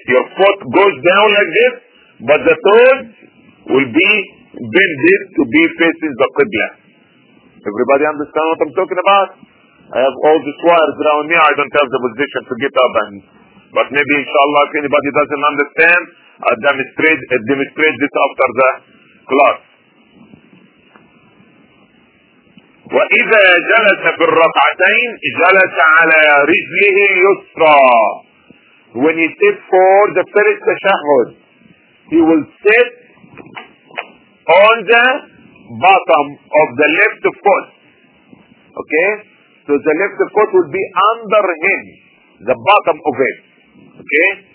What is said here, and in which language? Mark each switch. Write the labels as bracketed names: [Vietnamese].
[English] Your foot goes down like this, but the toes will be bended to be facing the Qibla. Everybody understand what I'm talking about? I have all these wires around me. I don't have the position to get up. But maybe, inshallah, if anybody doesn't understand, I'll demonstrate this after the class. [Arabic] وإذا جلس بالركعتين جلس على رجله اليسرى. [English] When he sit for the first tashahhud, he will sit on the bottom of the left foot. Okay? So the left foot will be under him, the bottom of it. Okay?